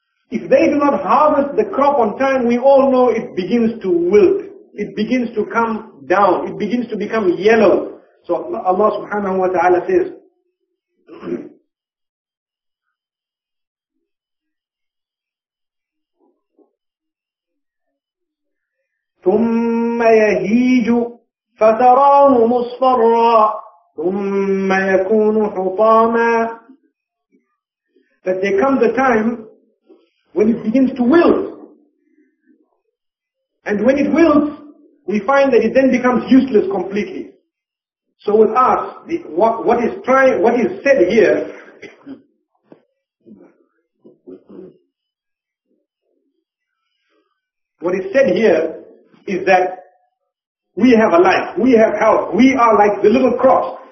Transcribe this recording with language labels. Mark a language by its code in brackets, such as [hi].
[en] If they do not harvest the crop on time, we all know it begins to wilt. It begins to come down. It begins to become yellow. So Allah subhanahu wa ta'ala says, [ar] ثُمَّ يَهِيجُ فَتَرَاهُ مُصْفَرًّا ثُمَّ يَكُونُ حُطَامًا. [en] That there comes a time when it begins to wilt. And when it wilts, we find that it then becomes useless completely. So with us, what is said here, what is said here is that we have a life, we have health, we are like the little crops.